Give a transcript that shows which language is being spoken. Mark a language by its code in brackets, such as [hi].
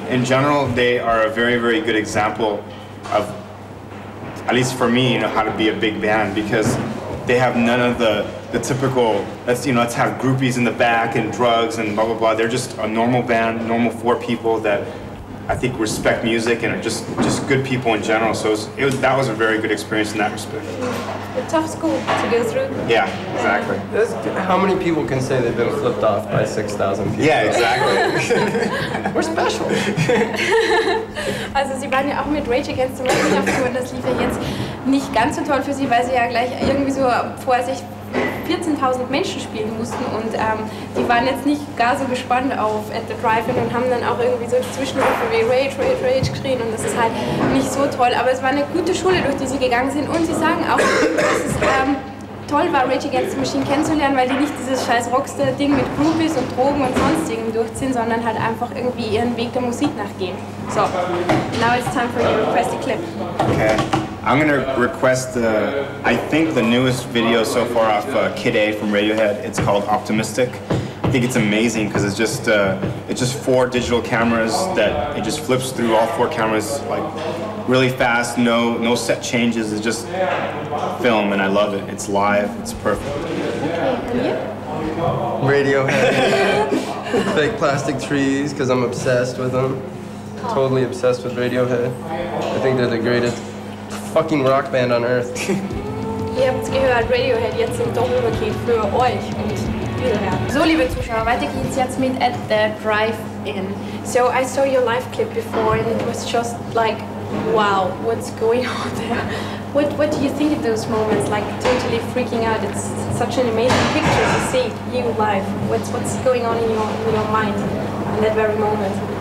[en] In general, they are a very, very good example of, at least for me, you know, how to be a big band because they have none of the typical, let's have groupies in the back and drugs and blah, blah, blah. They're just a normal band, normal four people that I think, respect music and are just good people in general. So that was a very good experience in that respect. A tough school to go through. Yeah, exactly. How many people can say they've been flipped off by 6,000 people? Yeah, exactly. We're special. [de] Also, Sie waren ja auch mit Rage Against the Machine auf Tour, und das lief ja jetzt nicht ganz so toll für Sie, weil Sie ja gleich irgendwie so vor sich 14.000 Menschen spielen mussten, und die waren jetzt nicht gar so gespannt auf At The Drive-In und haben dann auch irgendwie so Zwischenrufe wie Rage, Rage, Rage geschrien, und das ist halt nicht so toll. Aber es war eine gute Schule, durch die Sie gegangen sind, und Sie sagen auch, dass es toll war, Rage Against the Machine kennenzulernen, weil die nicht dieses scheiß Rockstar-Ding mit Groupies und Drogen und sonstigen durchziehen, sondern halt einfach irgendwie ihren Weg der Musik nachgehen. [en] So, now it's time for your requested clip. Okay. I'm gonna request the newest video so far off Kid A from Radiohead. It's called Optimistic. I think it's amazing because it's just four digital cameras that it just flips through all four cameras like really fast. No set changes. It's just film, and I love it. It's live. It's perfect. Okay, you? Radiohead. Fake plastic trees because I'm obsessed with them. Oh. Totally obsessed with Radiohead. I think they're the greatest fucking rock band on earth. [de] Ihr habt's gehört, Radiohead jetzt im Doppelpaket für euch und wiederher. So, liebe Zuschauer, weiter geht's jetzt mit At The Drive-In. [en] So, I saw your live clip before and it was just like, wow, what's going on there? What do you think of those moments, like totally freaking out? It's such an amazing picture to see you live. What's going on in your mind in that very moment?